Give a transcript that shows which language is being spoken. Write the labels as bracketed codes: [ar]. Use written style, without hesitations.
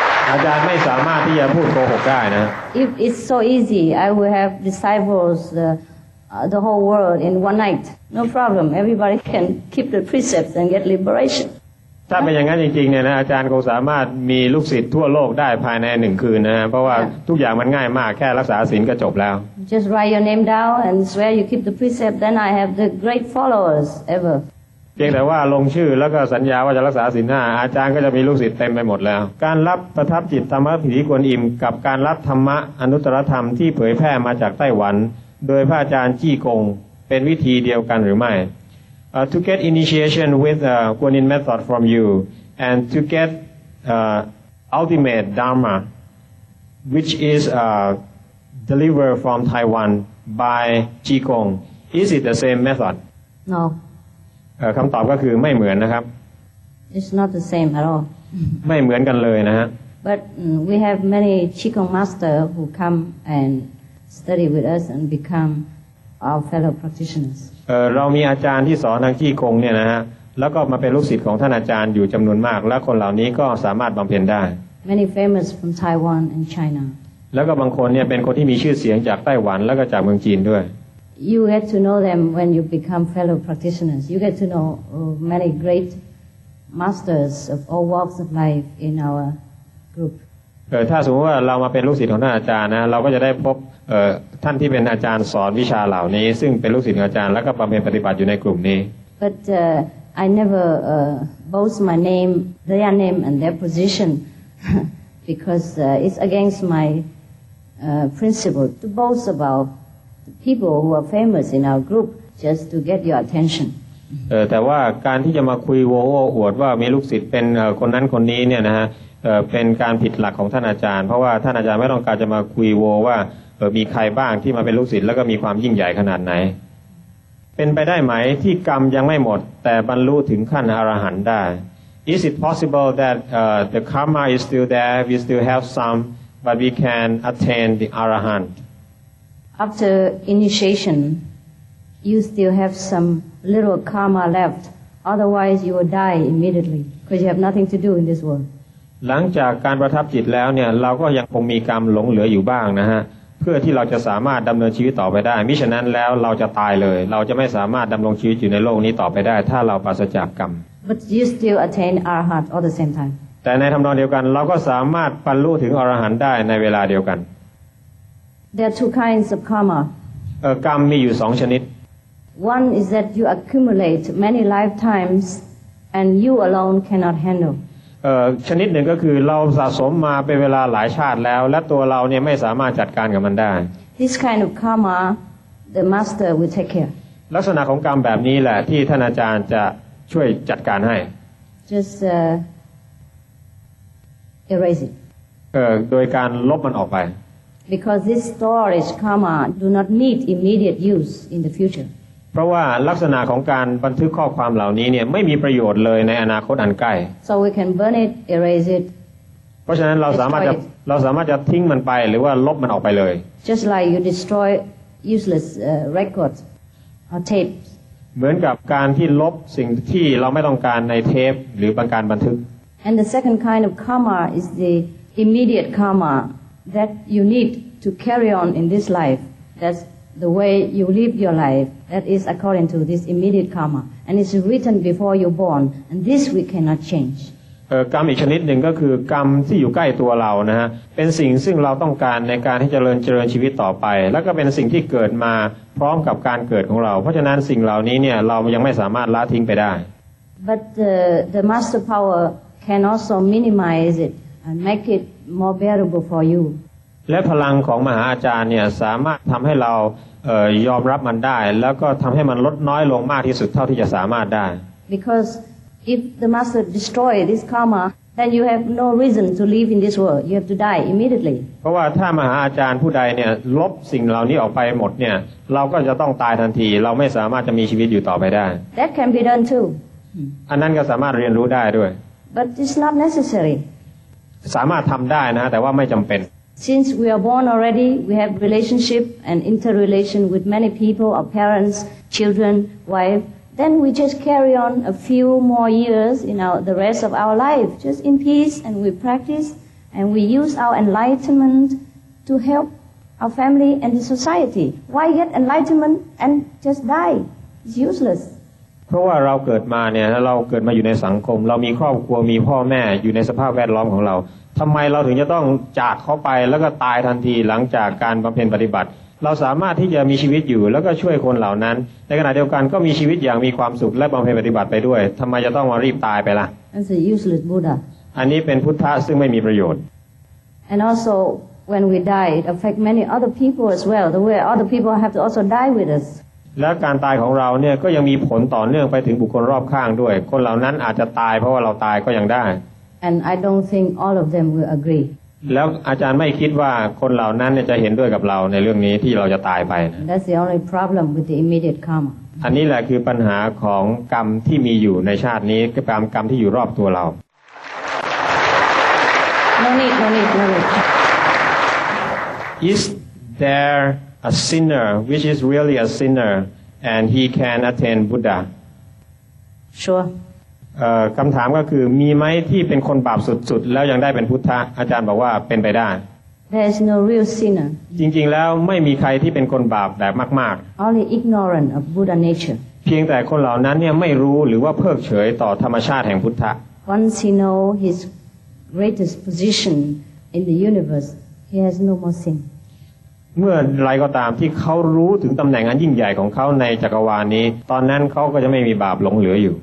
[th] อาจารย์ไม่สามารถที่จะพูดโกหกได้นะ [en] If it's so easy I will have disciples the whole world in one night no problem everybody can keep the precepts and get liberation [th] ถ้าเป็นอย่างนั้นจริงๆเนี่ยนะอาจารย์คงสามารถมีลูกศิษย์ทั่วโลกได้ภายใน1คืนนะฮะเพราะว่า yeah. ทุกอย่างมันง่ายมากแค่รักษาศีลก็จบแล้ว [en] Just write your name down and swear you keep the precept then I have the great followers ever [th] เพียงแต่ว่าลงชื่อแล้วก็สัญญาว่าจะรักษาศีล5อาจารย์ก็จะมีลูกศิษย์เต็มไปหมดแล้วการรับประทับจิตธรรมะผีกวนอิมกับการรับธรรมะอนุตตรธรรมที่เผยแผ่มาจากไต้หวันโดยพระอาจารย์จี้กงเป็นวิธีเดียวกันหรือไม่ [en] to get initiation with the Kuan Yin method from you and to get ultimate Dharma which is delivered from Taiwan by Qigong is it the same method? No [th] คำตอบก็คือไม่เหมือนนะครับ [en] It's not the same at all [th] ไม่เหมือนกันเลยนะฮะ [en] But we have many Qigong master who come and study with us and become our fellow practitioners [th] เรามีอาจารย์ที่สอนทางจี้กงเนี่ยนะฮะแล้วก็มาเป็นลูกศิษย์ของท่านอาจารย์อยู่จำนวนมากและคนเหล่านี้ก็สามารถบำเพ็ญได้ [en] Many famous from Taiwan and China [th] แล้วก็บางคนเนี่ยเป็นคนที่มีชื่อเสียงจากไต้หวันแล้วก็จากเมืองจีนด้วย [en] You get to know them when you become fellow practitioners You get to know many great masters of all walks of life in our group [th] ถ้าสมมติว่าเรามาเป็นลูกศิษย์ของท่านอาจารย์นะเราก็จะได้พบท่านที่เป็นอาจารย์สอนวิชาเหล่านี้ซึ่งเป็นลูกศิษย์ของอาจารย์แล้วก็บำเพ็ญปฏิบัติอยู่ในกลุ่มนี้ [en] But I never boast my name their name and their position because it's against my principle to boast about the people who are famous in our group just to get your attention [th] แต่ว่าการที่จะมาคุยโว้อวดว่ามีลูกศิษย์เป็นคนนั้นคนนี้เนี่ยนะฮะเป็นการผิดหลักของท่านอาจารย์เพราะว่าท่านอาจารย์ไม่ต้องการจะมาคุยโวว่ามีใครบ้างที่มาเป็นลูกศิษย์แล้วก็มีความยิ่งใหญ่ขนาดไหนเป็นไปได้ไหมที่กรรมยังไม่หมดแต่บรรลุถึงขั้นอรหันต์ได้ [en] Is it possible that the karma is still there we still have some but we can attain the arahant After initiation you still have some little karma left otherwise you will die immediately because you have nothing to do in this world [th] หลังจากการประทับจิตแล้วเนี่ยเราก็ยังคงมีกรรมหลงเหลืออยู่บ้างนะฮะเพื่อที่เราจะสามารถดำเนินชีวิตต่อไปได้มิฉะนั้นแล้วเราจะตายเลยเราจะไม่สามารถดำรงชีวิตอยู่ในโลกนี้ต่อไปได้ถ้าเราปราศจากกรรม [en] But you still attain arahant all the same time [th] แต่ในทำนองเดียวกันเราก็สามารถบรรลุถึงอรหันต์ได้ในเวลาเดียวกัน [en] There are two kinds of karma [th] กรรมมีอยู่สองชนิด [en] One is that you accumulate many lifetimes and you alone cannot handle [th] ชนิดหนึ่งก็คือเราสะสมมาเป็นเวลาหลายชาติแล้วและตัวเราเนี่ยไม่สามารถจัดการกับมันได้ [en] This kind of karma the master will take care [th] ลักษณะของกรรมแบบนี้แหละที่ท่านอาจารย์จะช่วยจัดการให้ [en] Just erase it [th] โดยการลบมันออกไป [en] Because this storage karma do not need immediate use in the future [th] เพราะว่าลักษณะของการบันทึกข้อความเหล่านี้เนี่ยไม่มีประโยชน์เลยในอนาคตอันใกล้ [en] So we can burn it, erase it. [th] เพราะฉะนั้นเราสามารถจะทิ้งมันไปหรือว่าลบมันออกไปเลย [en] Just like you destroy useless records or tapes. [th] เหมือนกับการที่ลบสิ่งที่เราไม่ต้องการในเทปหรือการบันทึก [en] And the second kind of karma is the immediate karma that you need to carry on in this life. That's the way you live your life. That is according to this immediate karma, and it's written before you're born, and this we cannot change. [th] กรรมอีกชนิดหนึ่งก็คือกรรมที่อยู่ใกล้ตัวเรานะฮะเป็นสิ่งซึ่งเราต้องการในการที่เจริญชีวิตต่อไปแล้วก็เป็นสิ่งที่เกิดมาพร้อมกับการเกิดของเราเพราะฉะนั้นสิ่งเหล่านี้เนี่ยเรายังไม่สามารถละทิ้งไปได้ [en] But the master power can also minimize it and make it more bearable for you. [th] และพลังของมหาอาจารย์เนี่ยสามารถทำให้เรายอมรับมันได้แล้วก็ทำให้มันลดน้อยลงมากที่สุดเท่าที่จะสามารถได้ [en] Because if the master destroy this karma then you have no reason to live in this world you have to die immediately [th] เพราะว่าถ้ามหาอาจารย์ผู้ใดเนี่ยลบสิ่งเหล่านี้ออกไปหมดเนี่ยเราก็จะต้องตายทันทีเราไม่สามารถจะมีชีวิตอยู่ต่อไปได้ [en] That can be done too [th] อันนั้นก็สามารถเรียนรู้ได้ด้วย [en] But it's not necessary. [th] สามารถทำได้นะแต่ว่าไม่จำเป็น [en] Since we are born already, we have relationship and interrelation with many people, our parents, children, wife. Then we just carry on a few more years in the rest of our life, just in peace, and we practice, and we use our enlightenment to help our family and the society. Why get enlightenment and just die? It's useless. [th] เพราะว่าเราเกิดมาเนี่ยเราเกิดมาอยู่ในสังคมเรามีครอบครัวมีพ่อแม่อยู่ในสภาพแวดล้อมของเราทำไมเราถึงจะต้องจากเขาไปแล้วก็ตายทันทีหลังจากการบำเพ็ญปฏิบัติเราสามารถที่จะมีชีวิตอยู่แล้วก็ช่วยคนเหล่านั้นในขณะเดียวกันก็มีชีวิตอย่างมีความสุขและบำเพ็ญปฏิบัติไปด้วยทำไมจะต้องมารีบตายไปล่ะ [en] That's a useless Buddha [th] อันนี้เป็นพุทธะซึ่งไม่มีประโยชน์ [en] And also when we die it affect many other people as well the way other people have to also die with us [th] และการตายของเราเนี่ยก็ยังมีผลต่อเนื่องไปถึงบุคคลรอบข้างด้วยคนเหล่านั้นอาจจะตายเพราะว่าเราตายก็ยังได้ [en] And I don't think all of them will agree [th] แล้วอาจารย์ไม่คิดว่าคนเหล่านั้นเนี่ยจะเห็นด้วยกับเราในเรื่องนี้ที่เราจะตายไป [en] That's the only problem with the immediate karma [th] อันนี้แหละคือปัญหาของกรรมที่มีอยู่ในชาตินี้กรรมที่อยู่รอบตัวเรา [en] No need Is thereA sinner, which is really a sinner, and he can attain Buddha. Sure. [th] คำถามก็คือมีไหมที่เป็นคนบาปสุดๆแล้วยังได้เป็นพุทธะอาจารย์บอกว่าเป็นไปได้ [en] There is no real sinner. [th] จริงๆแล้วไม่มีใครที่เป็นคนบาปแบบมาก [en] ๆ Only ignorant of Buddha nature. [th] เพียงแต่คนเหล่านั้นเนี่ยไม่รู้หรือว่าเพิกเฉยต่อธรรมชาติแห่งพุทธะ [en] Once he know his greatest position in the universe, he has no more sin. [th] เมื่อไรก็ตามที่เขารู้ถึงตำแหน่งอันยิ่งใหญ่ของเขาในจักรวาลนี้ตอนนั้นเขาก็จะไม่มีบาปหลงเหลืออยู